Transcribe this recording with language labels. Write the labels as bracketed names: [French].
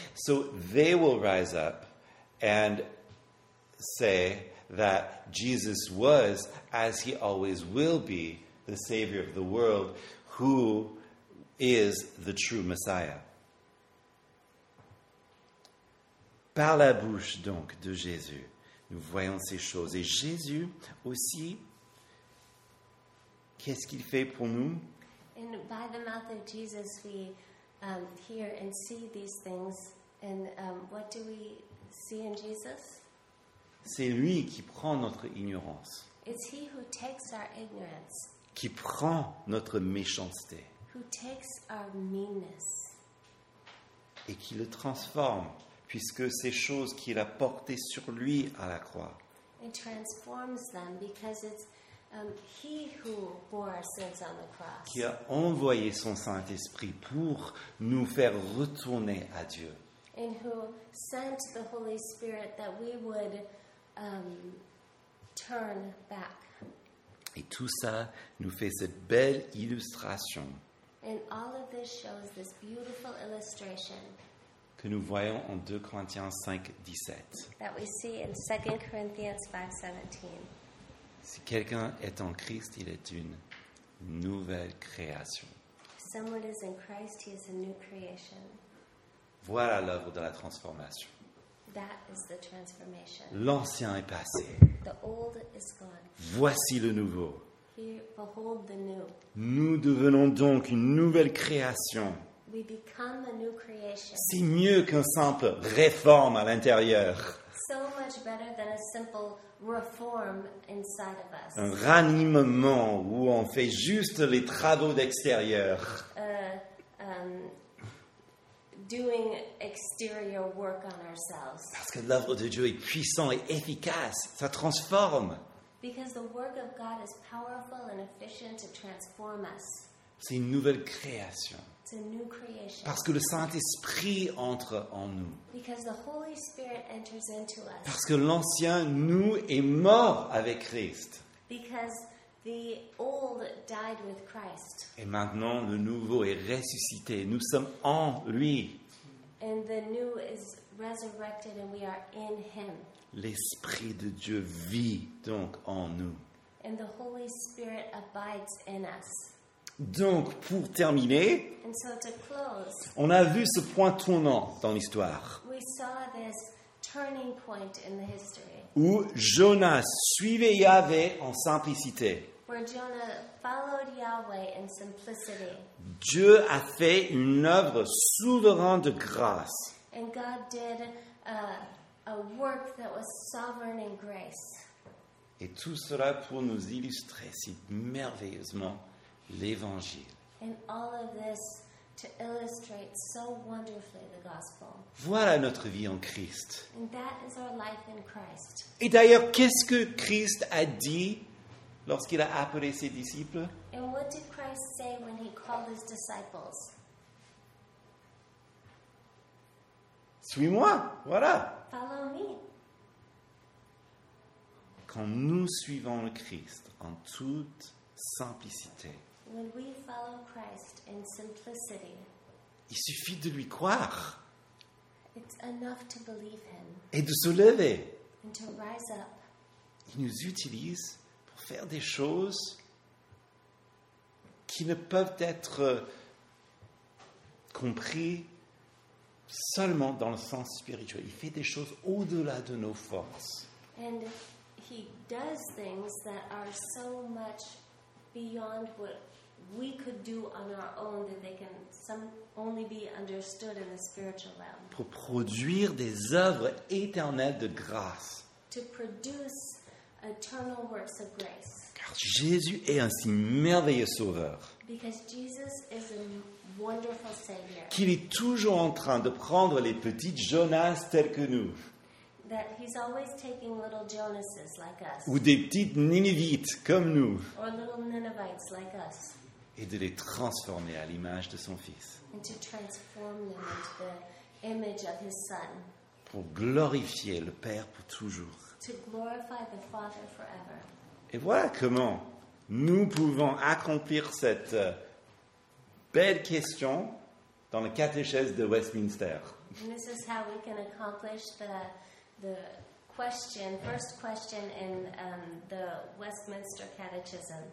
[English] So they will rise up and say that Jesus was, as he always will be, the Savior of the world, who is the true Messiah. [French] Par la bouche donc de Jésus, nous voyons ces choses. Et Jésus aussi, qu'est-ce qu'il fait pour nous? [English] And by the mouth of Jesus, we hear and see these things. And what do we see in Jesus? [French] C'est lui qui prend notre ignorance. [English] It's he who takes our ignorance. [French] Qui prend notre méchanceté. [English] Who takes our meanness. [French] Et qui le transforme, puisque ces choses qu'il a portées sur lui à la croix. [English] It transforms them because it's he who bore our sins on the cross. [French] Qui a envoyé son Saint-Esprit pour nous faire retourner à Dieu. [English] And who sent the Holy Spirit that we would turn back. [French] Et tout ça nous fait cette belle illustration. [English] And all of this shows this beautiful illustration. [French] Que nous voyons en 2 Corinthiens 5, 17. [English] That we see in 2 Corinthians 5, 17. [French] Si quelqu'un est en Christ, il est une nouvelle création. [English] Someone is in Christ, he is a new creation. [French] Voilà l'œuvre de la transformation. [English] That is the transformation. [French] L'ancien est passé. [English] The old is gone. [French] Voici le nouveau. [English] Here, behold the new. [French] Nous devenons donc une nouvelle création. [English] We become a new creation. [French] C'est mieux qu'une simple réforme à l'intérieur. [English] So much better than a simple reform inside of us. [French] Un ranimement où on fait juste les travaux d'extérieur. [English] Doing exterior work on ourselves. [French] Parce que l'œuvre de Dieu est puissante et efficace, ça transforme. [English] Because the work of God is powerful and efficient to transform us. [French] C'est une nouvelle création. [English] It's a new creation. [French] Parce que le Saint-Esprit entre en nous. [English] Because the Holy Spirit enters into us. [French] Parce que l'ancien nous est mort avec Christ. [English] Because the old died with Christ. [French] Et maintenant, le nouveau est ressuscité. Nous sommes en lui. [English] And the new is resurrected and we are in him. [French] L'Esprit de Dieu vit donc en nous. [English] And the Holy Spirit abides in us. [French] Donc, pour terminer, [English] and so to close, [French] on a vu ce point tournant dans l'histoire. [English] We saw this turning point in the history. [French] Où Jonas suivait Yahvé en simplicité. [English] Where Jonah followed Yahweh in simplicity. [French] Dieu a fait une œuvre souveraine de grâce. [English] And God did a work that was sovereign in grace. [French] Et tout cela pour nous illustrer si merveilleusement l'Évangile. [English] And all of this to illustrate so wonderfully the gospel. [French] Voilà notre vie en Christ. [English] And that is our life in Christ. [French] Et d'ailleurs, qu'est-ce que Christ a dit lorsqu'il a appelé ses disciples? [English] And what did Christ say when he called his disciples? [French] Suis-moi, voilà. [English] Follow me. [French] Quand nous suivons le Christ en toute simplicité, [English] when we follow Christ in simplicity, [French] il suffit de lui croire. [English] It's enough to believe him. [French] Et de se lever. [English] And to rise up. [French] Il nous utilise faire des choses qui ne peuvent être comprises seulement dans le sens spirituel. Il fait des choses au-delà de nos forces. [English] And he does things that are so much beyond what we could do on our own that they can some only be understood in the spiritual realm. [French] Pour produire des œuvres éternelles de grâce. [English] To produce eternal works of grace. [French] Car Car Jésus est un si merveilleux sauveur. [English] Because Jesus is a wonderful savior. [French] Qu'il est toujours en train de prendre les petites Jonas telles que nous. [English] That he's always taking little Jonases like us. [French] Ou des petites Ninivites comme nous. [English] Or little Ninevites like us. [French] Et de les transformer à l'image de son Fils. [English] And to transform them into the image of his son. [French] Pour glorifier le Père pour toujours. [English] To glorify the Father forever. [French] Et voilà comment nous pouvons accomplir cette belle question dans le catéchèse de Westminster. [English] And this is how we can accomplish the question, first question in the Westminster Catechism.